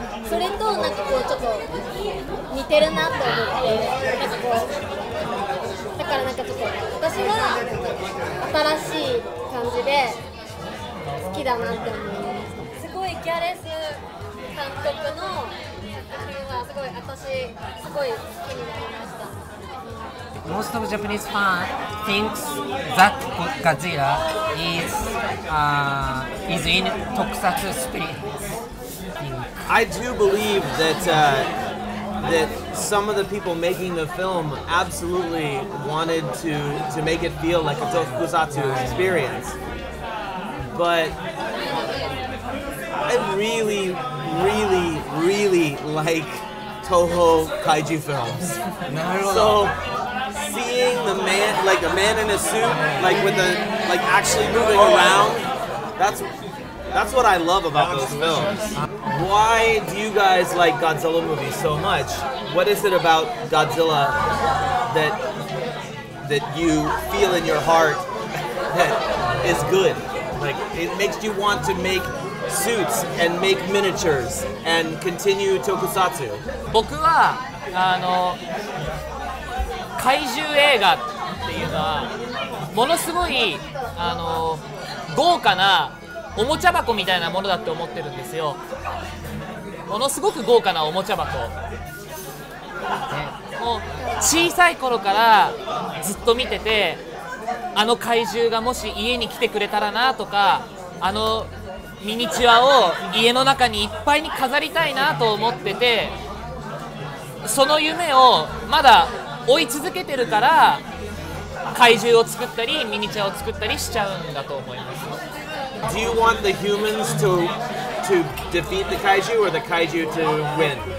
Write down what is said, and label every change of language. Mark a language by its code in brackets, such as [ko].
[ja] それとなんかこうちょっと似てるなと思って、なんかこうだからなんかちょっと私は新しい感じで好きだなって思います。すごいギャレス監督の作品はすごい私すごい好きになりました。 [en] Most of Japanese fans think that Godzilla is in tokusatsu spirit. I do believe that that some of the people making the film absolutely wanted to make it feel like a tokusatsu experience. But I really, really, really like Toho kaiju films. So seeing the man, like a man in a suit, like with the, like actually moving around, that's what I love about those films. Why do you guys like Godzilla movies so much? What is it about Godzilla that you feel in your heart that is good? Like, it makes you want to make suits and make miniatures and continue tokusatsu. [ja] 僕は、あの、怪獣映画っていうのはものすごい、あの、豪華なおもちゃ箱みたいなものだって思ってるんですよ。ものすごく豪華なおもちゃ箱、ね、もう小さい頃からずっと見てて、あの怪獣がもし家に来てくれたらなとか、あのミニチュアを家の中にいっぱいに飾りたいなと思ってて、その夢をまだ追い続けてるから怪獣を作ったりミニチュアを作ったりしちゃうんだと思います。 [en] Do you want the humans to defeat the kaiju or the kaiju to win?